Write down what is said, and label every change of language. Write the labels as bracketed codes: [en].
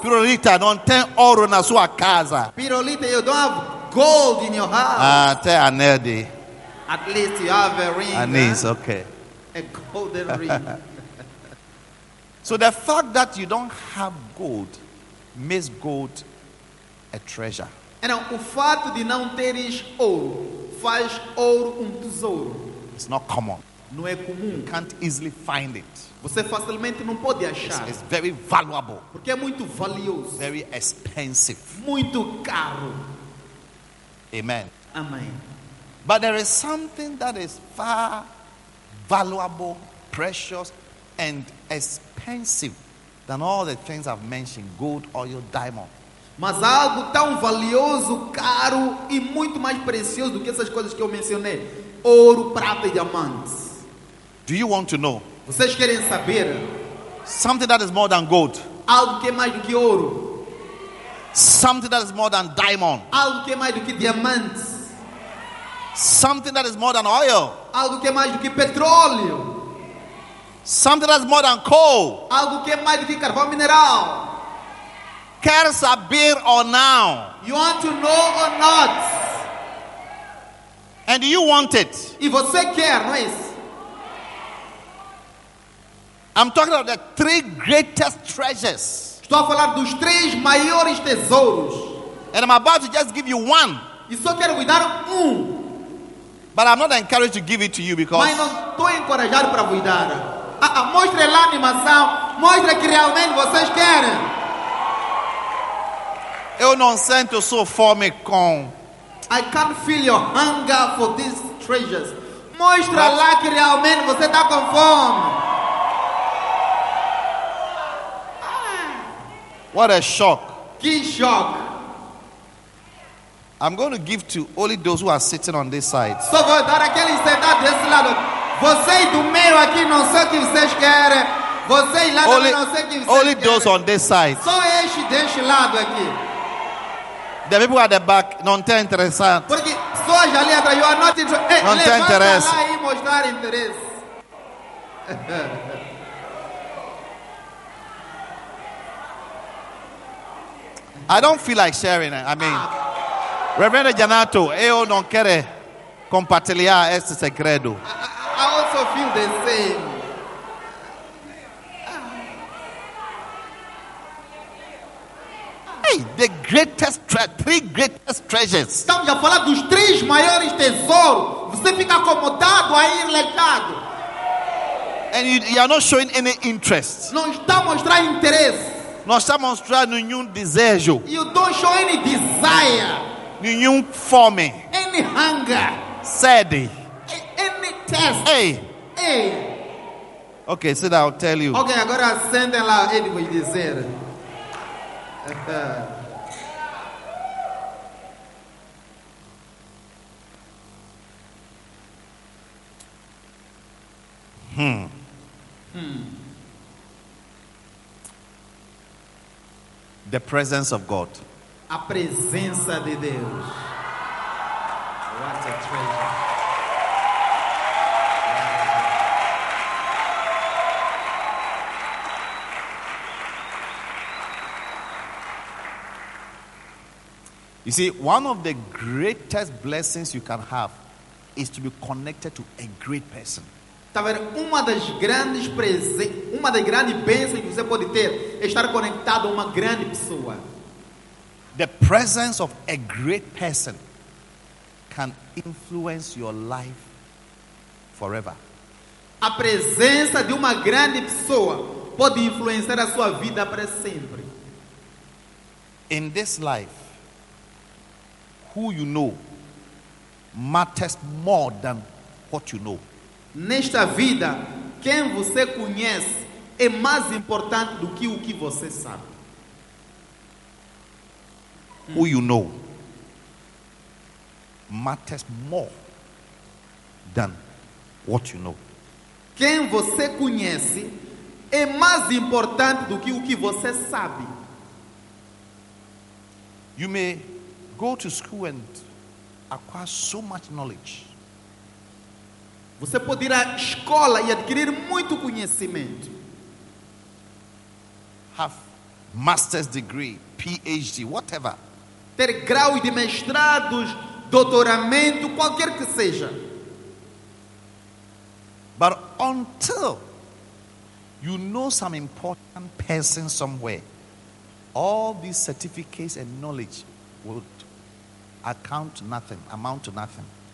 [pt] Pirulita, não tem ouro na sua casa. [en] Pirulita, you don't have gold in your house. [pt] Até anel de. [en] At least you have a ring. Anis, okay. A golden ring. So the fact that you don't have gold makes gold a treasure. [pt] Então, o fato de não teres ouro faz ouro tesouro. [en] It's not common. [pt] Não é comum. [en] You can't easily find it. [pt] Você facilmente não pode achar. [en] It's very valuable. [pt] Porque é muito valioso. [en] Very expensive. [pt] Muito caro. [en] Amen. [pt] Amém. [en] But there is something that is far valuable, precious, and expensive than all the things I've mentioned, gold, oil, diamond. [pt] Mas há algo tão valioso, caro e muito mais precioso do que essas coisas que eu mencionei. Ouro, prata e diamantes. [en] Do you want to know? [pt] Vocês querem saber? [en] Something that is more than gold. [pt] Algo que é mais do que ouro. [en] Something that is more than diamond. [pt] Algo que é mais do que diamantes. [en] Something that is more than oil. [pt] Algo que é mais do que petróleo. [en] Something that is more than coal. [pt] Algo que é mais do que carvão mineral. Quer saber ou não? [en] You want to know or not? And you want it? [pt] E você quer, não é isso? [en] I'm talking about the three greatest treasures. [pt] Estou a falar dos três maiores tesouros. [en] And I'm about to just give you one. [pt] E só quero lhe dar um. [en] But I'm not encouraged to give it to you because. [pt] Mas não estou encorajado para lhe dar. Mostre lá a animação. Mostre que realmente vocês querem. Eu não sinto sua fome com. [en] I can't feel your hunger for these treasures. [pt] Mostre lá que realmente você está com fome. [en] What a shock. [pt] Que shock. [en] I'm going to give to only those who are sitting on this side. [pt] Só vou dar aquele sentado desse lado. Vocês do meio aqui não sei o que vocês querem. Vocês lá não sei o que vocês querem. [en] Only those on this side. [pt] Só este deste lado aqui. [en] The people at the back, [pt] não tem interesse. Porque só ali atrás, [en] you are not interested. [pt] Não tem interesse. Levanta lá e mostrar interesse. [en] I don't feel like sharing it. I mean, Reverend Janato, [pt] eu não quero compartilhar este segredo. [en] I also feel the same. Hey, the greatest three greatest treasures. [pt] Estamos a falar dos três maiores tesouros. Você fica acomodado aí, relaxado. [en] And you are not showing any interest. [pt] Não está mostrando interesse. Não está mostrando nenhum desejo. [en] You don't show any desire. [pt] Nenhum fome. [en] Any hunger. [pt] Sede. [en] Any thirst. Hey. Hey. Okay, so I'll tell you. [pt] Okay, agora sente lá o que dizer. [en] The presence of God. [pt] A presença de Deus. [en] What a treasure. You see, one of the greatest blessings you can have is to be connected to a great person. [pt] Está vendo? Uma das grandes bênçãos que você pode ter é estar conectado a uma grande pessoa. [en] The presence of a great person can influence your life forever. [pt] A presença de uma grande pessoa pode influenciar a sua vida para sempre. [en] In this life, who you know matters more than what you know. [pt] Nesta vida, quem você conhece é mais importante do que o que você sabe. [en] Who you know matters more than what you know. [pt] Quem você conhece é mais importante do que o que você sabe. [en] You may go to school and acquire so much knowledge. [pt] Você pode ir à escola e adquirir muito conhecimento. [en] Have master's degree, PhD, whatever. [pt] Ter grau de mestrado, doutoramento, qualquer que seja. [en] But until you know some important person somewhere, all these certificates and knowledge will account to nothing, amount to nothing.